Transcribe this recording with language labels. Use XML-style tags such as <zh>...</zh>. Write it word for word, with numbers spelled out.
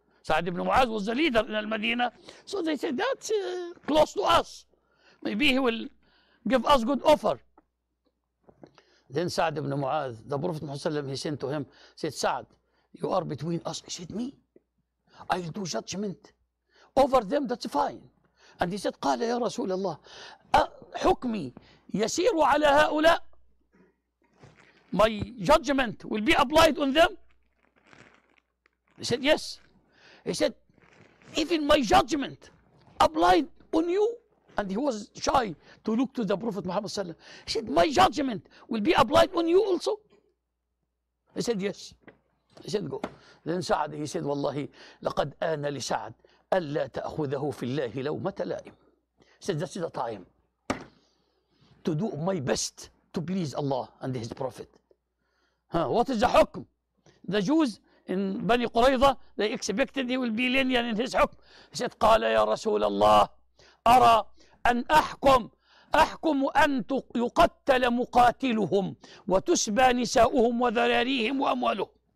<en>Sa'd ibn Mu'adh was the leader in Al-Madinah. So they said, that's uh, close to us. Maybe he will give us good offer. Then Sa'd ibn Mu'adh, the Prophet ﷺ, he sent to him, said, Sa'd, you are between us. He said, me? I will do judgment over them, that's fine. And he said,</en> <ar>قال يا رسول الله حكمي يسير على هؤلاء.</ar> <en>My judgment will be applied on them. He said, yes. He said, even my judgment applied on you. And he was shy to look to the Prophet Muhammad sallallahu alaihi wasallam. He said, my judgment will be applied on you also. He said, yes. He said, go. Then Sa'd, he said, Wallahi,</en> <ar>لَقَدْ آنَ لِسَعْدٍ أَلَّا تَأْخُذَهُ فِي اللَّهِ لَوْمَةَ لَائِمٍ.</ar> <en>He said, this is the time to do my best to please Allah and His Prophet. Huh, what is the hukm? The Jews in Bani Qurayza, they expected he will be lenient in his hukm. He said,</en> <ar>قَالَ يَا رَسُولَ اللَّهِ أَرَى أَنْ أَحْكُمْ أحكم أن يقتل مقاتلهم وتسبى نساؤهم وذراريهم وأموالهم.</ar>